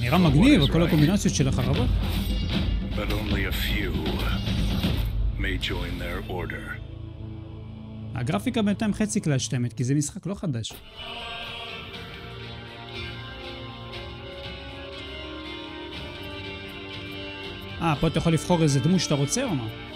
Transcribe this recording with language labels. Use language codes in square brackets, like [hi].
[he] נראה מגניב, כל הקומבינציות של החרבות. [en] But only a few may join their order. [he] הגרפיקה בינתיים חצי כלי השתמת, כי זה משחק לא חדש. פה אתה יכול לבחור איזה דמות שאתה רוצה או מה?